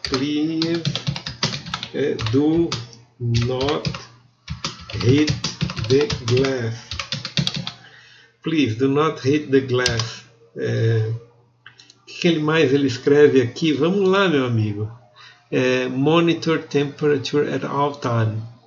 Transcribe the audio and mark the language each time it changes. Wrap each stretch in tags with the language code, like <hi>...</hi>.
<en>Please, do not hit the glass. Please, do not hit the glass.</en> <pt>O que mais ele escreve aqui? Vamos lá, meu amigo.</pt> <en>Monitor temperature at all time.</en>